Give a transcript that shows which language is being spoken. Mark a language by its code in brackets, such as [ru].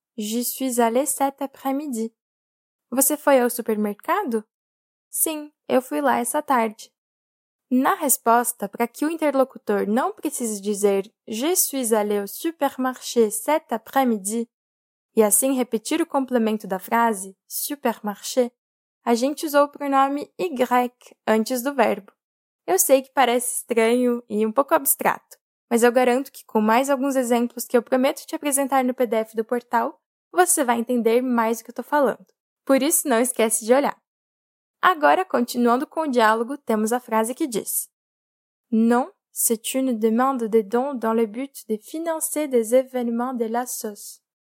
[fr] J'y suis allée cet après-midi. [pt] Você foi ao supermercado? Sim, eu fui lá essa tarde. Na resposta, para que o interlocutor não precise dizer [fr] Je suis allée au supermarché cet après-midi [pt] e assim repetir o complemento da frase supermarché, a gente usou o pronome Y antes do verbo. Eu sei que parece estranho e um pouco abstrato, mas eu garanto que com mais alguns exemplos que eu prometo te apresentar no PDF do portal, você vai entender mais o que eu estou falando. Por isso, não esquece de olhar. Agora, continuando com o diálogo, temos a frase que diz [fr] Non, c'est une demande de don dans le but de financer des événements de la SOS.